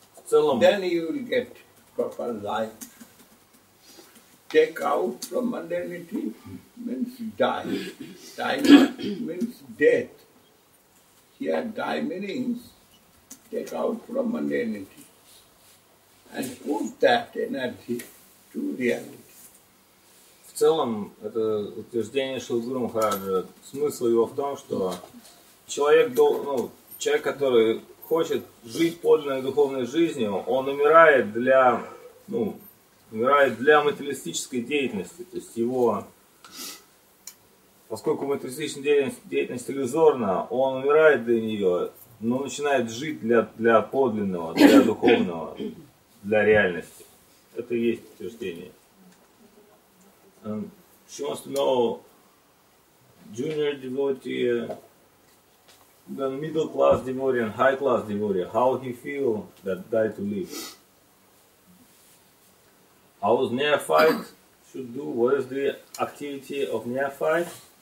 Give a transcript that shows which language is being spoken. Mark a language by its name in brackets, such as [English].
[English] Then you will get proper life. Take out from mundanity means die. Die means death. Here die means take out from mundanity and put that energy to reality. [Russian] В целом, это утверждение Шилгуру Махараджа, смысл его в том, что человек, ну, человек, который хочет жить подлинной духовной жизнью, он умирает для, ну, умирает для материалистической деятельности. То есть его, поскольку материалистическая деятельность иллюзорна, он умирает для нее, но начинает жить для подлинного, для духовного, для реальности. Это и есть утверждение. [English] She wants to know, junior devotee, the middle class devotee and high class devotee, how he feel that die to live. How is neophyte should do? What is the activity of neophyte?